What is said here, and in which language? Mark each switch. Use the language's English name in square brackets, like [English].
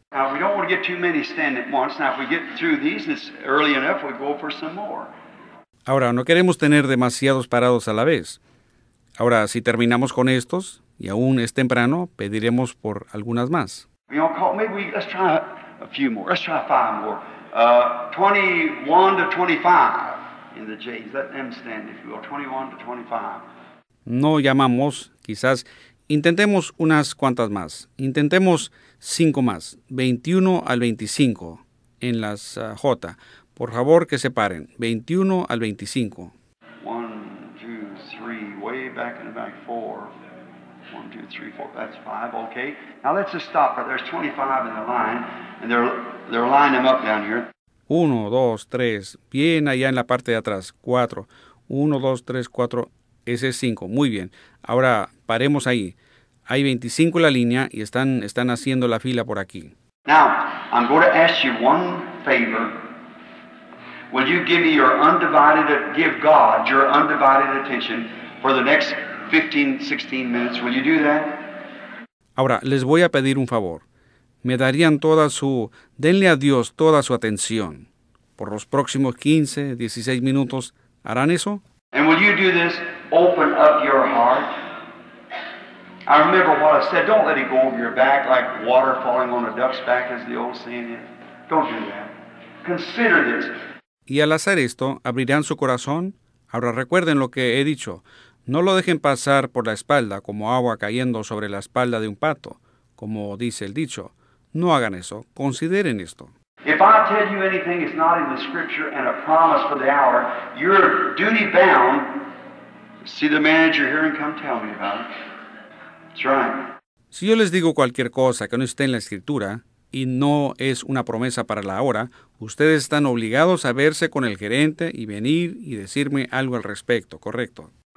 [English] Now, we don't want to get too many standing at once. Now, if we get through these this early enough, we go for some more. [Spanish] Ahora, no queremos tener demasiados parados a la vez. Ahora, si terminamos con estos, y aún es temprano, pediremos por algunas más. [English] You know, call, maybe we, let's try a few more. Let's try five more. 21 to 25 in the J's. Let them stand, if you will. 21 to 25. [Spanish] No llamamos, quizás. Intentemos unas cuantas más. Intentemos 5 más. 21 al 25 en las J. Por favor, que se paren. 21 al 25. [English] 1, 2, 3, way back in the back, 4. 1, 2, 3, 4, that's 5, okay. Now let's just stop. There's 25 in the line, and they're lining them up down here. [Spanish] 1, 2, 3, bien allá en la parte de atrás, 4. 1, 2, 3, 4, ese es 5. Muy bien. Ahora, paremos ahí. Hay 25 en la línea y están haciendo la fila por aquí. [English] Now, I'm going to ask you one favor. Will you give me your undivided, give God your undivided attention for the next 15, 16 minutes? Will you do that? [Spanish] Ahora, les voy a pedir un favor. Me darían toda su, denle a Dios toda su atención. Por los próximos 15, 16 minutos, ¿harán eso? [English] And will you do this? Open up your heart. I remember what I said. Don't let it go over your back like water falling on a duck's back, as the old saying is. Don't do that. Consider this. [Spanish] Y al hacer esto, ¿abrirán su corazón? Ahora recuerden lo que he dicho. No lo dejen pasar por la espalda como agua cayendo sobre la espalda de un pato, como dice el dicho. No hagan eso. Consideren esto. [English] If I tell you anything is not in the scripture and a promise for the hour, you're duty bound. See the manager here and come tell me about it. [Spanish] Si yo les digo cualquier cosa que no esté en la escritura y no es una promesa para la hora, ustedes están obligados a verse con el gerente y venir y decirme algo al respecto, ¿correcto?